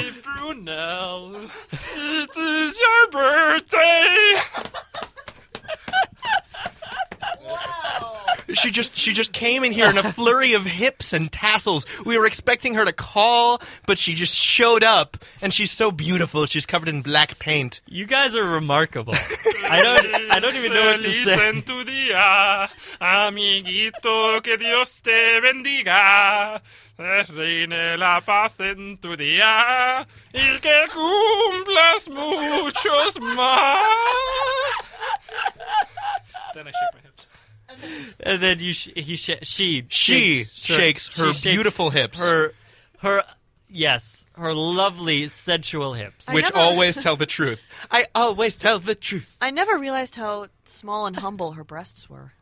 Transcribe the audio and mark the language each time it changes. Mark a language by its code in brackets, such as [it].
[en] Hey, Brunel, it is your birthday. Wow. She just came in here in a flurry of hips and tassels. We were expecting her to call, but she just showed up, and she's so beautiful. She's covered in black paint. You guys are remarkable. I don't even know what to say. [es] Feliz en tu día, amiguito, que Dios te bendiga. Reine la paz en tu día, y que cumplas muchos más. [en] Then I shook my hips. And then she shakes her lovely sensual hips, always tell the truth. I always tell the truth. I never realized how small and humble her breasts were.